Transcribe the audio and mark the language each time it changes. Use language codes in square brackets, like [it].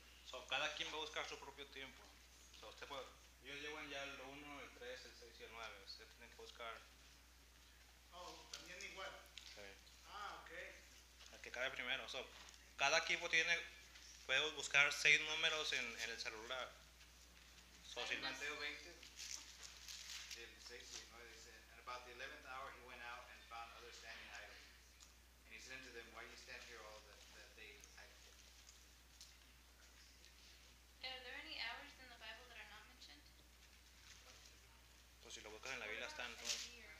[es] So, cada quien va a buscar su propio tiempo. So, usted puede, ellos llevan ya el 1, el 3, el 6 y el 9. Ustedes tienen que buscar. Oh, también igual. Sí. Ah, okay. El que cae primero. So, cada equipo tiene, puede buscar 6 números en el celular. So, en Mateo 20. El 6 y el 9 dice, [en] and about the 11th hour he went out and found others standing idle. And he said unto them, why do you stand here all that day idle? Are there any hours in the Bible that are not mentioned? [es] Pues si lo buscas en la Biblia están todos.